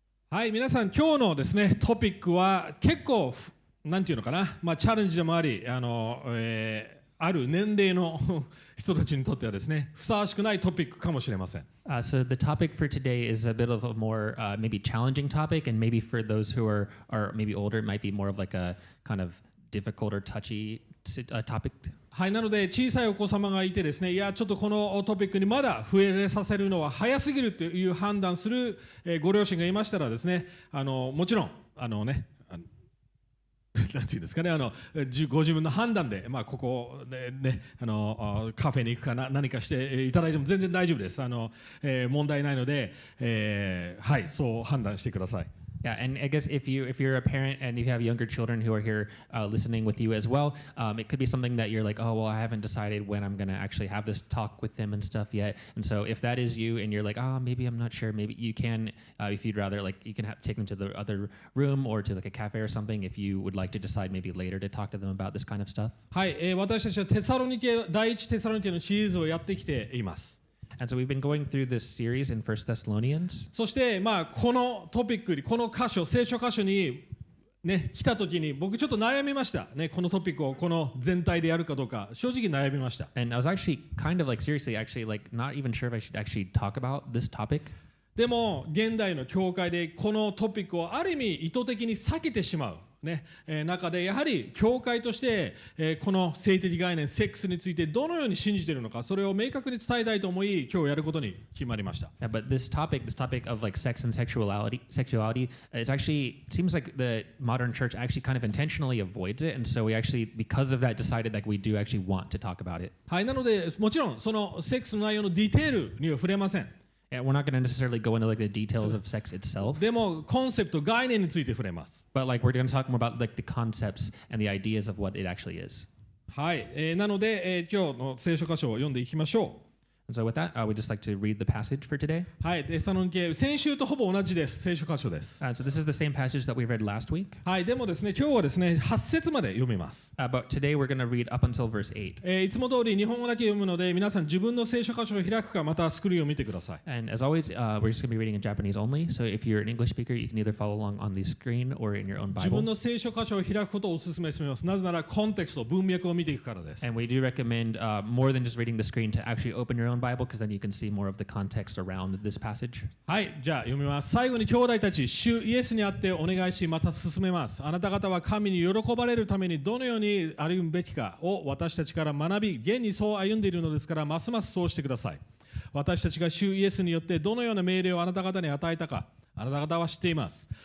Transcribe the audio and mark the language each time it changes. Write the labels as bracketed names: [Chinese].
[Japanese] はい、皆さん今日のですねトピックは結構なんていうのかな、まあチャレンジでもあり、ある年齢の人たちにとってはですね、ふさわしくないトピックかもしれません。 [English] So the topic for today is a bit of a more maybe challenging topic, and maybe for those who are maybe older, it might be more of like a kind of difficult or touchy topic. [Japanese] はい、なので小さいお子様がいてですね、いやちょっとこのトピックにまだ触れさせるのは早すぎるという判断するご両親がいましたらですね、もちろんね。なんていうんですかね、ご自分の判断で、まあ、ここで、ね、カフェに行くかな、何かしていただいても全然大丈夫です。問題ないので、はい、そう判断してください。 [English] Yeah, and I guess if you're a parent and you have younger children who are here listening with you as well, it could be something that you're like, oh, well, I haven't decided when I'm going to actually have this talk with them and stuff yet. And so if that is you and you're like, oh, maybe I'm not sure, maybe you can, if you'd rather, like, you can take them to the other room or to like a cafe or something if you would like to decide maybe later to talk to them about this kind of stuff. [Japanese] はい、私たちはテサロニケ、第一テサロニケのシリーズをやってきています。 [English] And so we've been going through this series in 1 Thessalonians. [Japanese] そして、まあ、このトピックに、この箇所、聖書箇所に、ね、来た時に、僕ちょっと悩みました。ね、このトピックをこの全体でやるかどうか、正直悩みました。 [English] And I was actually kind of like seriously, actually like not even sure if I should actually talk about this topic. [Japanese] でも、現代の教会でこのトピックをある意味意図的に避けてしまう。ね、中でやはり教会として、この性的概念セックスについてどのように信じているのかそれを明確に伝えたいと思い今日やることに決まりました。 [English] Yeah, but this topic of like sex and sexuality, it's actually it seems like the modern church actually kind of intentionally avoids it, and so we actually because of that decided that we do actually want to talk about it. [Japanese] はい、なのでもちろんそのセックスの内容のディテールには触れません。 [English] Yeah, we're not going to necessarily go into like the details of sex itself. [Japanese] でもコンセプト、概念について触れます。 [English] But like we're going to talk more about like the concepts and the ideas of what it actually is. [Japanese] はい、なので、今日の聖書箇所を読んでいきましょう。 [English] And so with that, I would just like to read the passage for today. [Japanese] はい、テサロニケ、先週とほぼ同じです。聖書箇所です。 [English] So this is the same passage that we read last week. [Japanese] はい、でもですね、今日はですね、8節まで読みます。 [English] But today we're going to read up until verse 8. [Japanese] いつも通り日本語だけ読むので、皆さん自分の聖書箇所を開くか、またスクリーンを見てください。 [English] And as always, we're just going to be reading in Japanese only. So if you're an English speaker, you can either follow along on the screen or in your own Bible. [Japanese] 自分の聖書箇所を開くことをお勧めします。なぜなら、コンテクスト、文脈を見ていくからです。 [English] And we do recommend more than just reading the screen to actually open your own Bible, because then you can see more of the context around this passage. [Japanese] はい、じゃあ読みます。最後に兄弟たち、主イエスにあってお願いし、また進めます。あなた方は神に喜ばれるためにどのように歩むべきかを私たちから学び、現にそう歩んでいるのですから、ますますそうしてください。私たちが主イエスによってどのような命令をあなた方に与えたか、あなた方は知っています。